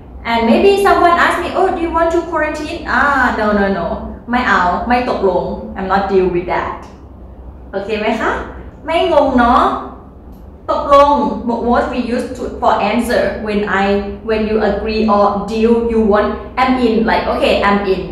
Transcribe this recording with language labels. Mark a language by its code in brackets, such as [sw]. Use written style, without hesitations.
[en] And maybe someone asks me, oh, do you want to quarantine? No. [th] ไม่เอาไม่ตกลง [en] I'm not deal with that. Okay [th] ไหมคะ? ไม่งงเนาะ? [en] ตกลง What we use to, for answer when you agree or deal you want, I'm in, like, okay, I'm in.